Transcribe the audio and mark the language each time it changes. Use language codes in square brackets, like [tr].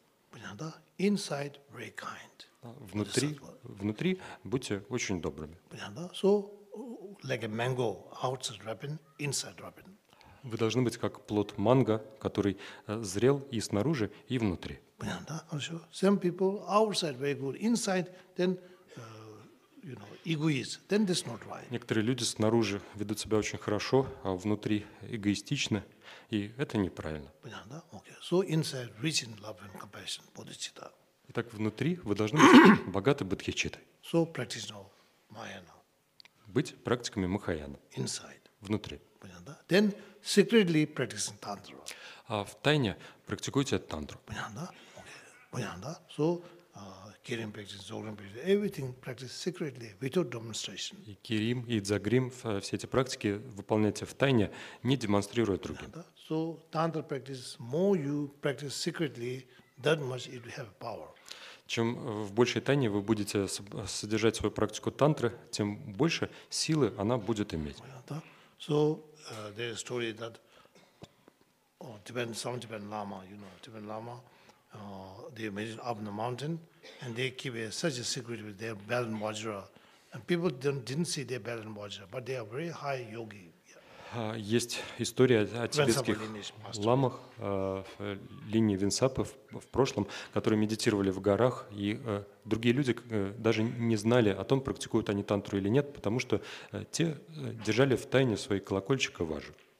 [ru] Понятно, да? [en] Inside, very kind. [ru] Внутри будьте очень добрыми. Понятно, да? [en] So, like a mango, outside ripen, inside ripen. [ru] Вы должны быть как плод манго, который зрел и снаружи, и внутри. Понятно, да? Хорошо. [en] Some people outside very good, inside then, you know, egoist, then that's not right. [ru] Некоторые люди снаружи ведут себя очень хорошо, а внутри эгоистично, и это неправильно. Понятно, да? Okay. [en] So inside rich in love and compassion, bodhicitta. [ru] Итак, внутри вы должны быть богаты бодхичиттой. [en] So practice now, Mahayana. [ru] Быть практиками Махаяны. [en] Inside. [ru] Внутри. Понятно, да? [en] Then secretly practicing tantra. [ru] А в тайне практикуйте тантру. Понятно, да? [en] Okay. Понятно, да? So Kirim practice, Dzogchen practice, everything practice secretly without demonstration. [ru] И Kirim, и Dzogchen, все эти практики выполняйте в тайне, не демонстрируя другим. Понятно, да? [en] So tantra practice, more you practice secretly, that much it have power. [ru] Чем в большей тайне вы будете содержать свою практику тантры, тем больше силы она будет иметь. Понятно. [en] So there's a story that some Tibetan Lama, you know, Tibetan Lama, they made it up in the mountain and they keep such a secret with their bell and vajra. And people didn't see their bell and vajra, but they are very high yogi. [ru] Есть история о тибетских ламах, линии Винсапы в прошлом, которые медитировали в горах, и другие люди даже не знали о том, практикуют они тантру или нет, потому что те держали в тайне свои колокольчик и важу.